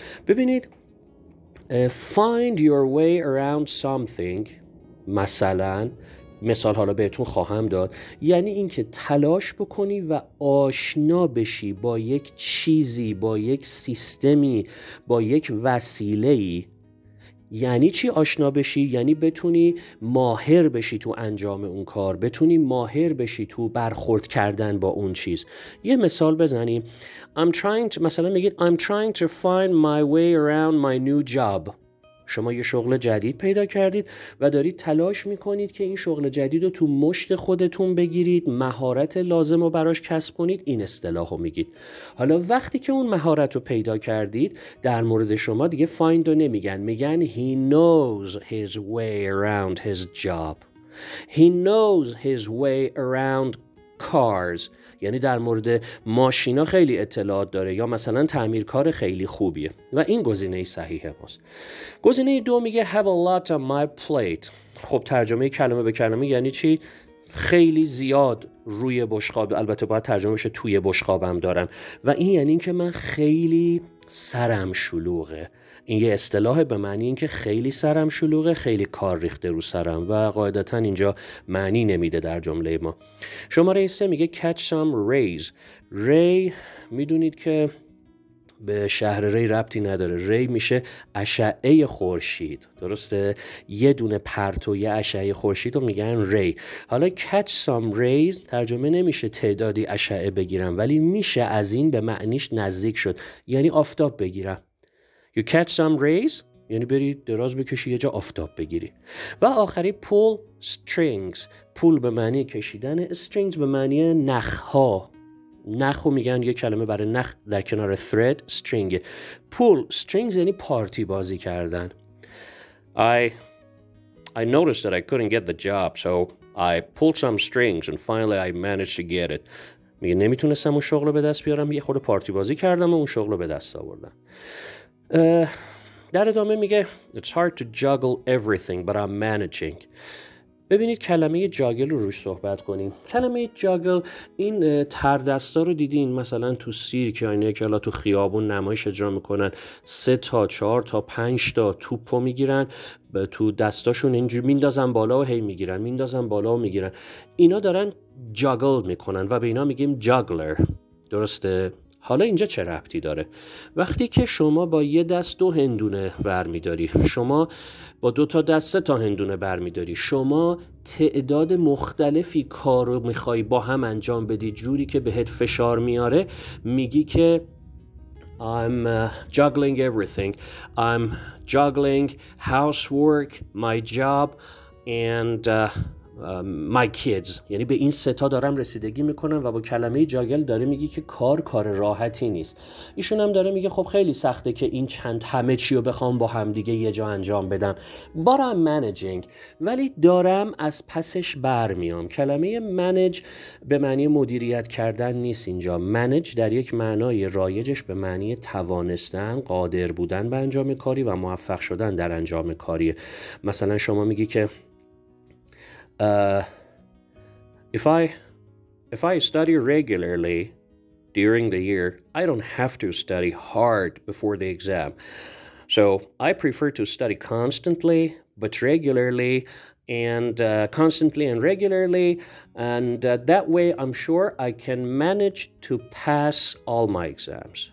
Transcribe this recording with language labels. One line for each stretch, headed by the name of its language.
Persian: ببینید
English: Find your way around something،
Persian: مثلا مثال حالا بهتون خواهم داد، یعنی اینکه تلاش بکنی و آشنا بشی با یک چیزی، با یک سیستمی، با یک وسیله‌ای. یعنی چی آشنا بشی؟ یعنی بتونی ماهر بشی تو انجام اون کار، بتونی ماهر بشی تو برخورد کردن با اون چیز. یه مثال بزنیم.
English: I'm trying to،
Persian: مثلا میگید
English: I'm trying to find my way around my new job.
Persian: شما یه شغل جدید پیدا کردید و دارید تلاش میکنید که این شغل جدید رو تو مشت خودتون بگیرید، مهارت لازم رو براش کسب کنید. این اصطلاح رو میگید. حالا وقتی که اون مهارت رو پیدا کردید در مورد شما دیگه find رو نمیگن، میگن
English: he knows his way around his job، he knows his way around cars،
Persian: یعنی در مورد ماشینا خیلی اطلاعات داره یا مثلا تعمیرکار خیلی خوبیه. و این گزینه صحیحه ماست. گزینه دو میگه
English: have a lot on my plate.
Persian: خب ترجمه کلمه به کلمه یعنی چی؟ خیلی زیاد روی بشقاب، البته باید ترجمه بشه توی بشقابم دارم، و این یعنی این که من خیلی سرم شلوغه. این یه اصطلاح به معنی این که خیلی سرم شلوغه، خیلی کار ریخته رو سرم، و قاعدتا اینجا معنی نمیده در جمله ما. شماره 3 میگه
English: catch some rays.
Persian: ری میدونید که به شهر ری ربطی نداره. ری میشه اشعه خورشید، درسته؟ یه دونه پرتوی اشعه خورشید رو میگن ری. حالا
English: catch some rays
Persian: ترجمه نمیشه تعدادی اشعه بگیرم، ولی میشه از این به معنیش نزدیک شد، یعنی آفتاب بگیرم.
English: You catch some rays،
Persian: یعنی بری دراز بکشی یه جا آفتاب بگیری. و آخری pull strings. pull به معنی کشیدن، strings به معنی نخها. نخو میگن، یه کلمه برای نخ در کنار thread string. pull strings یعنی پارتی بازی کردن.
English: I noticed that I couldn't get the job, so I pulled some strings and finally I managed to get it.
Persian: میگه نمیتونستم اون شغل رو به دست بیارم، یه خورده پارتی بازی کردم و اون شغل رو به دست آوردم. در ادامه میگه
English: It's hard to juggle everything but I'm managing.
Persian: ببینید کلمه جاگل رو روش صحبت کنیم. کلمه جاگل، این تردستا رو دیدین مثلا تو سیرک، یعنی که الان تو خیابون نمایش اجرا میکنن، 3 تا 4 تا 5 تا توپو میگیرن به تو دستاشون، اینجوری میندازن بالا و هی میگیرن، میندازن بالا و میگیرن. اینا دارن جاگل میکنن و به اینا میگیم جاگلر، درسته؟ حالا اینجا چه ربطی داره؟ وقتی که شما با یه دست 2 هندونه برمیداری، شما با 2 تا دست 3 تا هندونه برمیداری، شما تعداد مختلفی کار رو میخوایی با هم انجام بدی جوری که بهت فشار میاره، میگی که
English: I'm juggling everything. I'm juggling housework, my job, and my kids،
Persian: یعنی به این ستا دارم رسیدگی میکنم و با کلمه جاگل داره میگه که کار راحتی نیست. ایشون هم داره میگه خب خیلی سخته که این چند همه چی رو بخوام با هم دیگه یه جا انجام بدم، بارم منیجینگ، ولی دارم از پسش برمیام. کلمه منیج به معنی مدیریت کردن نیست اینجا، منیج در یک معنای رایجش به معنی توانستن، قادر بودن به انجام کاری و موفق شدن در انجام کاری. مثلا شما میگی که
English: If I study regularly during the year, I don't have to study hard before the exam. So I prefer to study constantly, but regularly, and constantly and regularly, and that way I'm sure I can manage to pass all my exams.